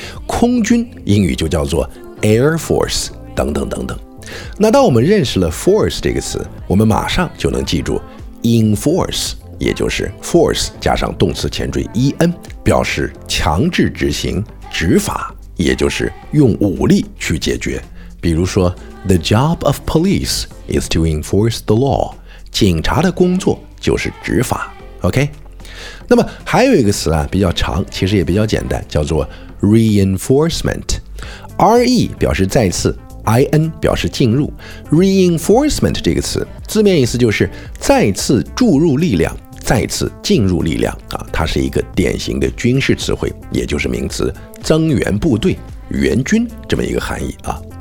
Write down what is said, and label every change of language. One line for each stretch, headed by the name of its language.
Chinese: 空军英语就叫做 air force 等等等等。那当我们认识了 force 这个词，我们马上就能记住 enforce， 也就是 force 加上动词前缀 en， 表示强制执行、执法，也就是用武力去解决。
English: 比如说 The job of police is to enforce the law，
Chinese: 警察的工作就是执法。 OK， 那么还有一个词啊，比较长，其实也比较简单，叫做 reinforcement。 re 表示再次 ，in 表示进入。reinforcement 这个词字面意思就是再次注入力量，再次进入力量啊，它是一个典型的军事词汇，也就是名词增援部队、援军这么一个含义啊。